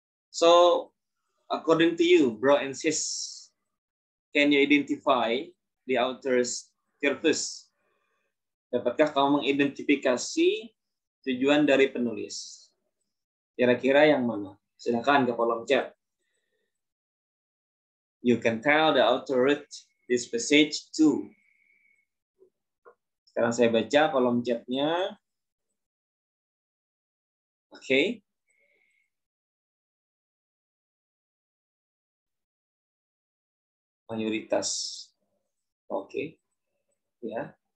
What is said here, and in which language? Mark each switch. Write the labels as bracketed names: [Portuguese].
[English] So, according to you, bro and sis, can you identify the author's purpose? [Indonesian] Dapatkah kamu mengidentifikasi tujuan dari penulis? Kira-kira yang mana? Silakan ke kolom chat. [English] You can tell the author read this passage too. [Indonesian] Sekarang saya baca kolom chatnya. [English] Okay. [Indonesian] Mayoritas. Okay. Ya. Yeah.